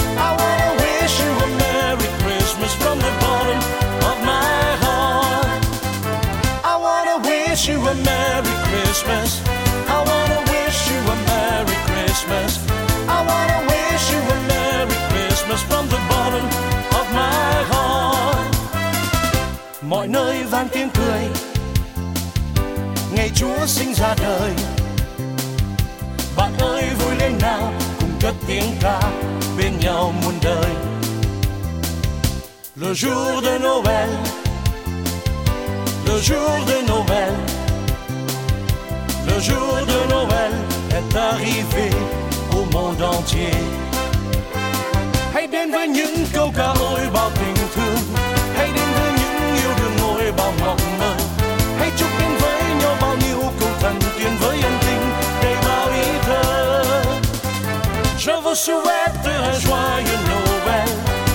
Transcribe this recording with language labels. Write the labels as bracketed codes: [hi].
[en] I want to wish you a Merry Christmas from the bottom of my heart. I want to wish you a Merry Christmas. I want to wish you a Merry Christmas. I want to wish you a Merry Christmas from the bottom of my heart. [vi] Mọi nơi vang tiếng cười, ngày Chúa sinh ra đời. Bạn ơi vui lên nào, cùng cất tiếng ca bên nhau muôn đời. [fr] Le jour de Noël, le jour de Noël, le jour de Noël est arrivé au monde entier. [vi] Hãy đến với những câu ca ôi bao tình thương, hãy đến với những yêu đương ôi bao mộng mơ. Hãy chúc đến với nhau bao nhiêu câu thần tiên với ân tình đầy bao ý thơ. [fr] Je vous souhaite un joyeux Noël.